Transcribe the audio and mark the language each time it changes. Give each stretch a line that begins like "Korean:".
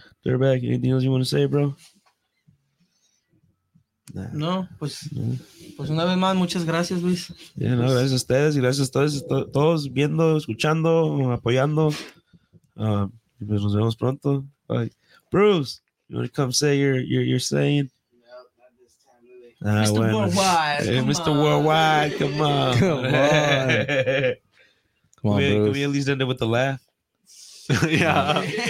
English: Dirtbag, anything else you want to say, bro?
Spanish: No, pues, pues una vez más, muchas gracias, Luis. Yeah, no, gracias a ustedes y gracias a todos viendo, escuchando, apoyando. Y pues nos vemos pronto. Bye.
English: Bruce, you want to come say your saying? Mr. Bueno. Worldwide, hey, Mr. Worldwide, come on. Come on. Come on, Bruce. Can we at least end it with a laugh? Yeah.